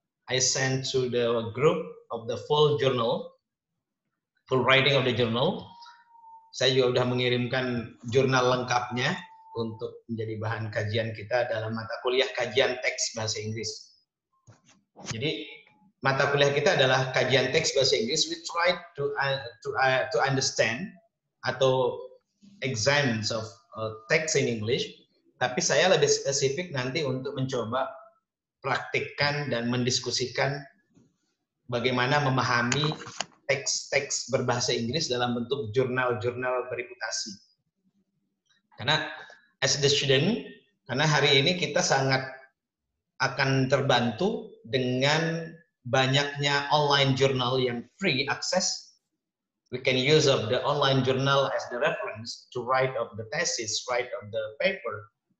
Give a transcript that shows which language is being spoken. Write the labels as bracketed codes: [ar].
[en] I sent to the group of the full journal, full writing of the journal. [id] Saya juga sudah mengirimkan jurnal lengkapnya untuk menjadi bahan kajian kita dalam mata kuliah kajian teks bahasa Inggris. Jadi mata kuliah kita adalah kajian teks bahasa Inggris. [en] We try to understand [id] atau [en] exams of text in English. [id] Tapi saya lebih spesifik nanti untuk mencoba praktikkan dan mendiskusikan bagaimana memahami teks-teks berbahasa Inggris dalam bentuk jurnal-jurnal bereputasi. Karena [en] as the student, [id] karena hari ini kita sangat akan terbantu dengan banyaknya online journal yang free access. [en] We can use of the online journal as the reference to write of the thesis, write of the paper.